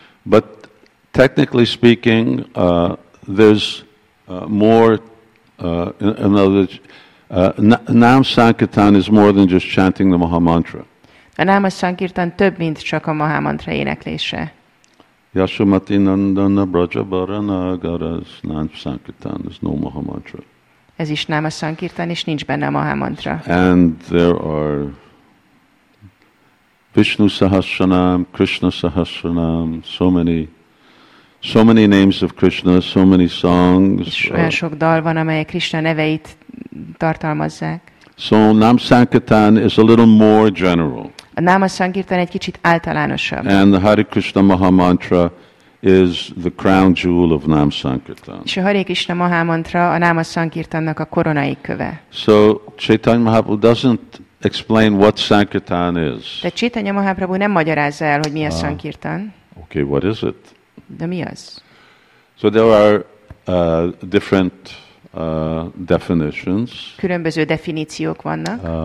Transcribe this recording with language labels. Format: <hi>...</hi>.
<en>But technically speaking, there's more another nam sankirtan is more than just chanting the maha mantra.</en> <hu>A náma sankirtan több, mint csak a maha mantra éneklése.</hu> <en>Yashomati nandana brajabarana garas nam sankirtan is no maha mantra.</en> <hu>Ez is náma sankirtan, és nincs benne a maha mantra.</hu> <en>And there are Vishnu sahasranam, Krishna sahasranam, so many names of Krishna, so many songs.</en> <hu>És olyan sok dal van, amelyek Krishna neveit tartalmazzák.</hu> <en>So nam sankirtan is a little more general.</en> <hu>A náma sankirtan egy kicsit általánosabb.</hu> <en>And the Hare Krishna Maha Mantra is the crown jewel of nam sankirtan.</en> <hu>És a Hare Krishna Maha Mantra a náma sankirtannak a koronai köve.</hu> <en>So Chaitanya Mahaprabhu doesn't explain what sankirtan is.</en> <hu>De Chaitanya Mahaprabhu nem magyarázza el, hogy mi a sankirtan.</hu> <en>Okay, what is it?</en> <hu>De mi az?</hu> <en>So there are different definitions.</en> <hu>Különböző definíciók vannak.</hu>